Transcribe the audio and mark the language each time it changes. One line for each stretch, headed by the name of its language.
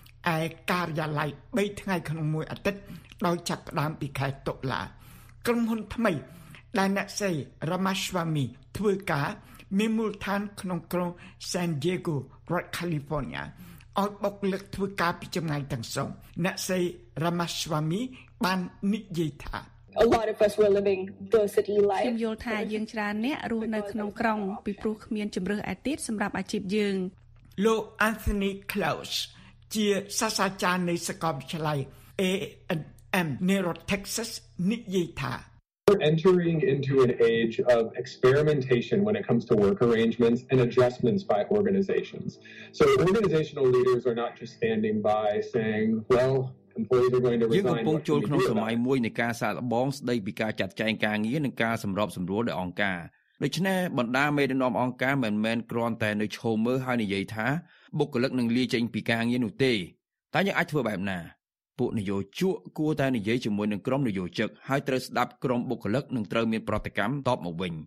Khmer: ឯការិយាល័យ3ថ្ងៃក្នុងមួយអាទិត្យដោយចាប់ផ្ដើមពីខែតុលាក្រុមហ៊ុនថ្មីដែលអ្នកស្រី Ramaswamy ធ្វើការមានមូលដ្ឋានក្នុងក្រុង San Diego រដ្ឋ California ឲ្យបុគ្គលិកធ្វើការពីចម្ងាយទាំងស្រុងអ្នកស្រី Ramaswamy បាននិយាយថា
English: A lot of us were living the city life.
Khmer: ខ្ញុំយល់ថាយើងច្រើនអ្នករស់នៅក្នុងក្រុងពីព្រោះគ្មានជំរើសឯទៀតសម្រាប់អាជីពយើង ។លោក Anthony Close ជាសាស្ត្រាចារ្យនៃសាកលវិទ្យាល័យ A&M នៅ Texas និយាយថា
English: We're entering into an age of experimentation when it comes to work arrangements and adjustments by organizations. So organizational leaders are not just standing by saying, well,
Khmer: យើងកំពុងចូលក្នុងសម័យមួយនៃការសាកល្បងស្ដីពីការចាត់ចែងការងារនិងការសម្របសម្រួលដោយអង្គការដូច្នេះបណ្ដាមេដឹកនាំអង្គការមិនមែនគ្រាន់តែនៅឈរមើលហើយនិយាយថាបុគ្គលិកនឹងលាចេញពីការងារនោះទេតើយើងអាចធ្វើបែបណា ពួកនយោជកគួរតែនិយាយជាមួយនឹងក្រុមនយោជកហើយត្រូវស្ដាប់ក្រុមបុគ្គលិកនិងត្រូវមានប្រតិកម្មតបមកវិញ